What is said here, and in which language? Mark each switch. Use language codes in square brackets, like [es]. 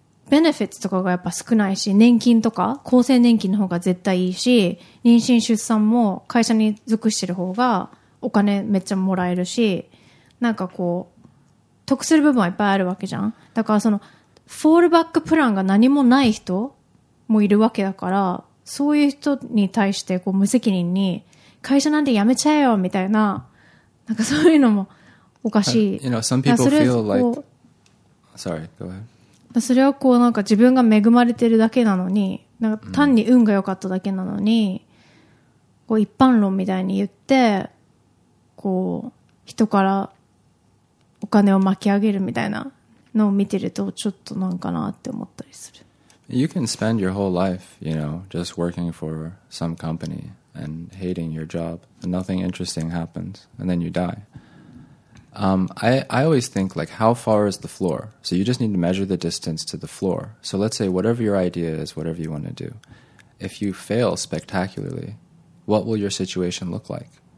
[ja] ベネフィッツとかがやっぱ少ないし、年金とか厚生年金の方が絶対いいし、妊娠出産も会社に属してる方がお金めっちゃもらえるし、なんかこう得する部分はいっぱいあるわけじゃん。だからそのフォールバックプランが何もない人もいるわけだから、そういう人に対してこう無責任に会社なんて辞めちゃえよみたいな、なんかそういうのもおかしい。 [en] You know, some people feel like sorry, go ahead. [ja] それはこうなんか自分が恵まれてるだけなのに、なんか単に運が良かっただけなのに、うん、こう一般論みたいに言ってこう人からお金を巻き上げるみたいなのを見てると、ちょっとなんかなって思ったりする。 [en] You can spend your whole life, you know, just working for some company and hating your job and nothing interesting happens and then you die. I always think, like, how far is the floor? So you just need to measure the distance to the floor. So let's say whatever your idea is, whatever you want to do, if you fail spectacularly, what will your situation look like?